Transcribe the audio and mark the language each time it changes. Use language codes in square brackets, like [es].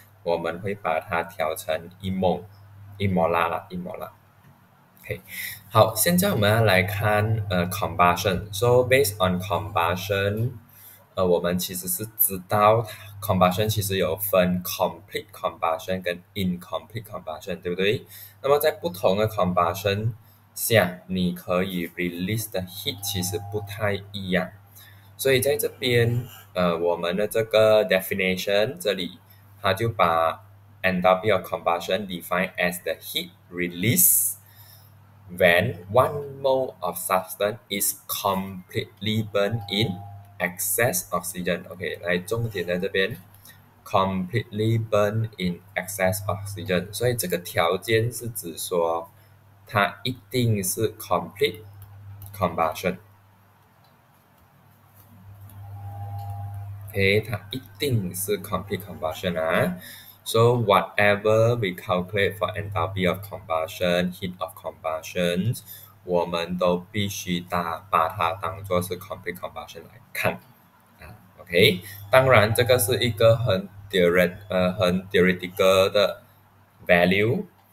[zh] 我们会把它调成一摩拉。 OK，好，现在我们要来看combustion。 [en] So based on combustion， [zh] 我们其实是知道 combustion 其实有分 complete combustion 跟 incomplete combustion，对不对？那么在不同的 combustion 下，你可以 release 的 heat 其实不太一样。所以在这边，我们的这个 definition 这里。它就把 [en] enthalpy of combustion define as the heat release when 1 mole of substance is completely burned in excess oxygen. OK， [zh] 来重点在这边， [en] completely burned in excess oxygen。 [zh] 所以这个条件是指说，它一定是 complete combustion。 OK，它一定是 [en] complete combustion 啊。 So whatever we calculate for enthalpy of combustion, heat of combustion， [zh] 我们都必须把它当做是 [en] complete combustion 来看啊。 [zh] OK，当然这个是一个很 theoretical 的 value。